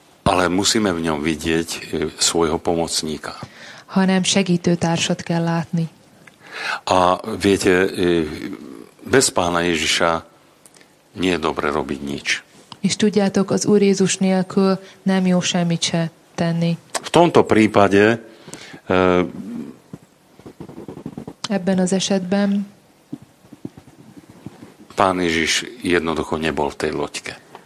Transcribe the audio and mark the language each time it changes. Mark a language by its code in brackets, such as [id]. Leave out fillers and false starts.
[sk] Ale musíme v ňom vidieť svojho pomocníka. [hu] Hanem segítőtársat kell látni. [sk] A viete, bez Pána Ježiša nie je dobre robiť nič. [hu] És tudjátok, az Úr Jézus nélkül nem jó semmit se tenni. [sk] V tomto prípade [hu] ebben az esetben [sk] Pán Ježiš jednoducho nebol v tej loďke.